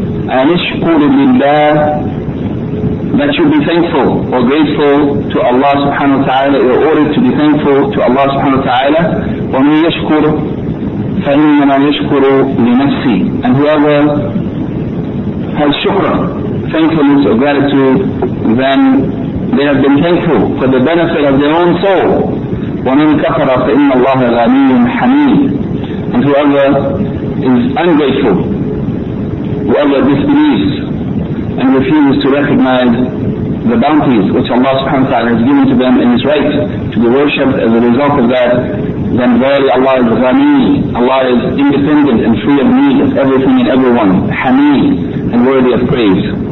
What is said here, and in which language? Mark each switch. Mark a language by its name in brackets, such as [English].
[Arabic] أَنْ اشْكُرُ لِلَّهِ, [English] that you be thankful or grateful to Allah subhanahu wa ta'ala, you're ordered to be thankful to Allah subhanahu wa ta'ala. [Arabic] وَمِنْ يَشْكُرُ فإنما يشكر لنفسه. [English] And whoever has شكر, thankfulness or gratitude, then they have been thankful for the benefit of their own soul. [Arabic] ومن كفر فإن الله غني حميد. [English] And whoever is ungrateful, whoever disbelieves and refuses to recognize the bounties which Allah subhanahu wa ta'ala has given to them in His right to be worshipped, as a result of that, then verily Allah is Ghani, Allah is independent and free of need of everything and everyone, Hamid, and worthy of praise.